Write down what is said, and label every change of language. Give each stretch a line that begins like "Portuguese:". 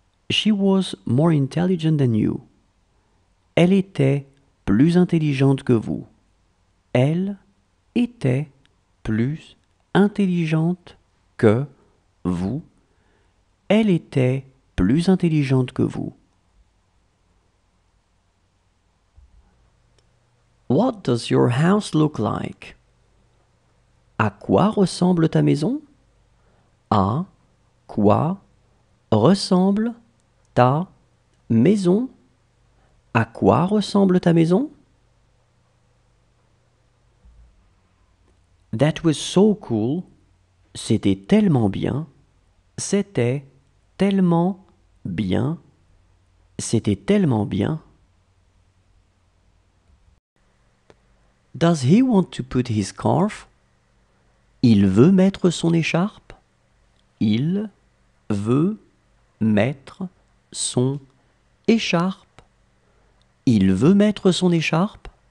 English: She was more intelligent than you.
French: Elle était plus intelligente que vous. Elle était plus intelligente que vous. Elle était plus intelligente que vous.
English: What does your house look like?
French: À quoi ressemble ta maison? À quoi ressemble ta maison? À quoi ressemble ta maison?
English: That was so cool.
French: C'était tellement bien. C'était tellement bien. C'était tellement bien.
English: Does he want to put his scarf?
French: Il veut mettre son écharpe. Il veut mettre son écharpe. Il veut mettre son écharpe.